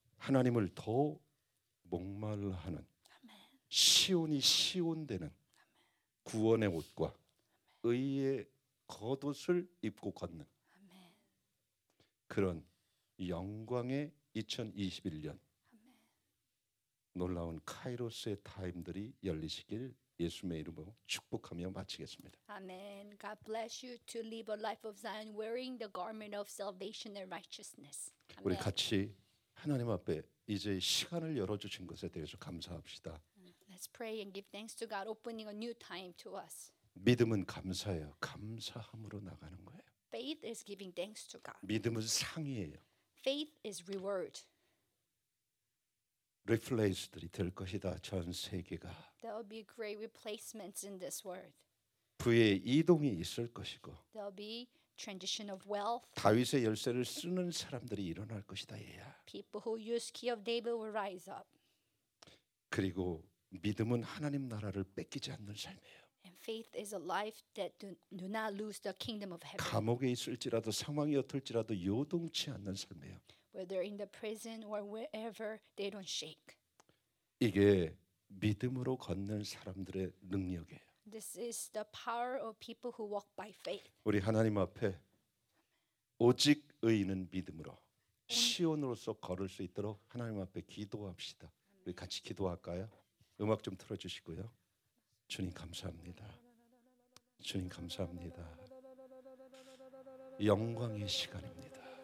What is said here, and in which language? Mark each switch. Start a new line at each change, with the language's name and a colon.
Korean: 하나님을 더 목말라하는 시온이 시온되는 구원의 옷과 의의 겉옷을 입고 걷는 그런 영광의 2021년 놀라운 카이로스의 타임들이 열리시길 예수의 이름으로 축복하며 마치겠습니다.
English: Amen. God bless you to live a life of Zion wearing the garment of salvation and righteousness. Amen.
Korean: 우리 같이 하나님 앞에 이제 시간을 열어주신 것에 대해서 감사합시다.
English: Let's pray and give thanks to God opening a new time to us.
Korean: 믿음은 감사예요. 감사함으로 나가는 거예요.
English: Faith is giving thanks to God.
Korean: 믿음은 상이에요.
English: Faith is reward.
Korean: Replaced들이 될 것이다. 전 세계가.
English: There will be great replacements in this world.
Korean: 부의 이동이 있을 것이고.
English: There will be transition of wealth.
Korean: 다윗의 열쇠를 쓰는 사람들이 일어날 것이다. 얘야.
English: People who use key of David will rise up.
Korean: 그리고 믿음은 하나님 나라를 뺏기지 않는 삶이에요.
English: And faith is a life that do not lose the kingdom of heaven.
Korean: 감옥에 있을지라도 상황이 어떨지라도 요동치 않는 삶이에요.
English: Whether in the prison or wherever, they don't shake.
Korean: 이게 믿음으로 걷는 사람들의 능력이에요.
English: This is the power of people who walk by faith.
Korean: 우리 하나님 앞에 오직 의인은 믿음으로 시온으로서 걸을 수 있도록 하나님 앞에 기도합시다. 우리 같이 기도할까요? 음악 좀 틀어주시고요. 주님 감사합니다. 주님 감사합니다. 영광의 시간입니다.